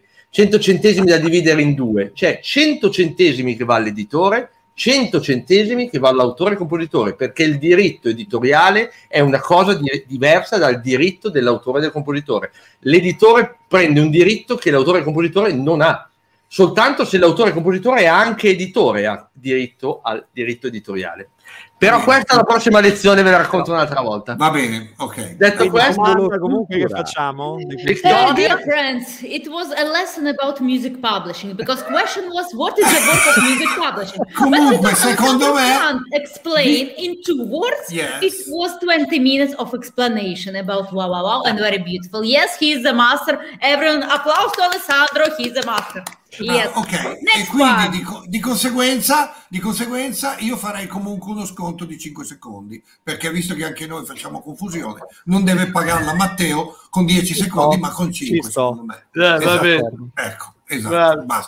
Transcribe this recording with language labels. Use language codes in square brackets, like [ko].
[it] centocentesimi da dividere in due, cioè 100 centesimi che va all'editore, 100 centesimi che va all'autore e compositore, perché il diritto editoriale è una cosa diversa dal diritto dell'autore e del compositore. L'editore prende un diritto che l'autore e compositore non ha, soltanto se l'autore e compositore è anche editore ha diritto al diritto editoriale. Però questa è la prossima lezione, ve la racconto un'altra volta. Va bene, ok. Detto questo, comunque, che facciamo? [en] Dear friends, it was a lesson about music publishing, because question was what is the work of music publishing? [it] Comunque, secondo me... [en] Explain in two words, yes. It was 20 minutes of explanation about wow, and very beautiful. Yes, he is the master. Everyone, applause to Alessandro, he is the master. Yes. [it] Ok, next e quindi di conseguenza io farei comunque uno sconto di 5 secondi, perché visto che anche noi facciamo confusione, non deve pagarla Matteo con 10 secondi, ma con 5, secondo me. Esatto. Va bene. Ecco, esatto. Bravo. Basta.